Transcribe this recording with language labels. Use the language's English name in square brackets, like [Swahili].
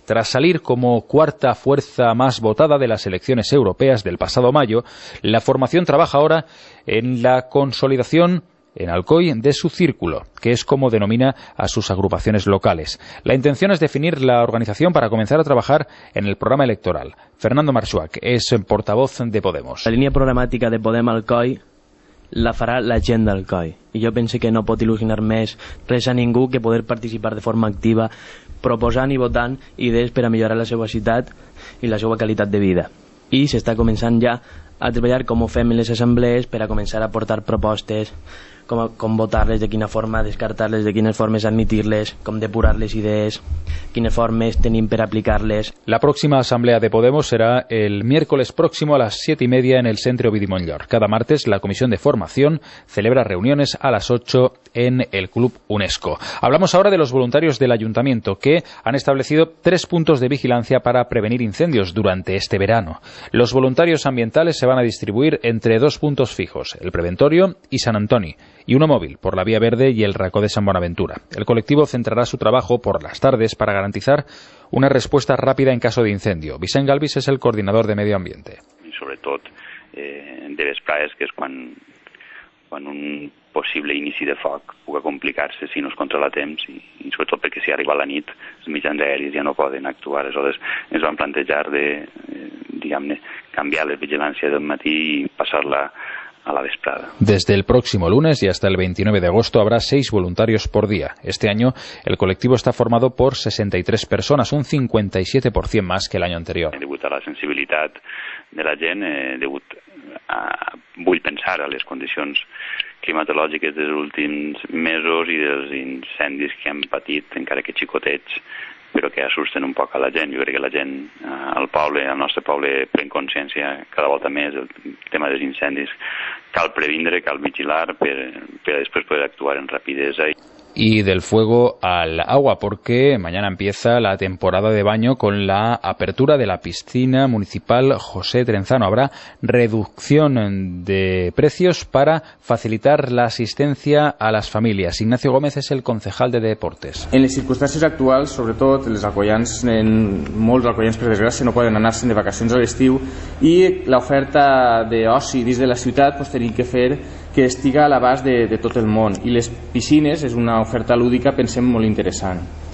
[Spanish] Tras salir como cuarta fuerza más votada de las elecciones europeas del pasado mayo, la formación trabaja ahora en la consolidación en Alcoy de su círculo, que es como denomina a sus agrupaciones locales. La intención es definir la organización para comenzar a trabajar en el programa electoral. Fernando Marxuac es portavoz de Podemos. [Catalan] La línea programática de Podem Alcoy la farà la gent d'Alcoy. I jo penso que no pot il·lusionar més res a ningú que poder participar de forma activa proposant i votant idees per a millorar la seva ciutat i la seva qualitat de vida. I s'està començant ja a treballar com ho fem en les assemblees per a començar a portar propostes, com votar-les, de quina forma descartar-les, de quines formes admitir-les, com depurar les idees, quines formes tenim per aplicar-les. La pròxima assemblea de Podemos serà el [Spanish] miércoles próximo [Catalan] a les 7:30 en el Centre Ovidi Montllor. Cada martes la comissió de formació celebra reunions a les 8 en el Club UNESCO. [Spanish] Hablamos ahora de los voluntarios del Ayuntamiento que han establecido 3 puntos de vigilancia para prevenir incendios durante este verano. Los voluntarios ambientales se van a distribuir entre 2 puntos fijos, el Preventorio y San Antoni, y uno móvil por la Vía Verde y el Racó de San Buenaventura. El colectivo centrará su trabajo por las tardes para garantizar una respuesta rápida en caso de incendio. Vicent Galvis es el coordinador de Medio Ambiente. Y sobre todo [Catalan] de les praes, que es cuando un possible inici de foc pugui complicar-se si no es controla a temps i sobretot perquè si arriba la nit els mitjans aèris ja no poden actuar. Aleshores ens van plantejar de diguem-ne, canviar la vigilància del matí i passar-la a la vesprada. Des del pròxim lunes i fins al 29 d'agost haurà 6 voluntaris per dia. Este any el col·lectiu està format per 63 persones, un 57% més que l'any anterior. Degut a la sensibilitat de la gent, degut a, vull pensar, a les condicions climatològiques dels últims mesos i dels incendis que hem patit, encara que xicotets, però que assusten un poc a la gent. Jo crec que la gent, el poble, el nostre poble, pren consciència cada volta més del tema dels incendis. Cal previndre, cal vigilar per després poder actuar en rapidesa. [Spanish] Y del fuego al agua, porque mañana empieza la temporada de baño con la apertura de la piscina municipal José Trenzano. Habrá reducción de precios para facilitar la asistencia a las familias. Ignacio Gómez es el concejal de deportes. [Catalan] En les circumstàncies actuals, sobretot els alcoians, molts alcoians per desgràcia no poden anar-se'n de vacacions a l'estiu i l'oferta d'oci dins de la ciutat pues, tenim que fer que estiga a l'abast de tot el món. I les piscines és una oferta lúdica, pensem, molt interessant.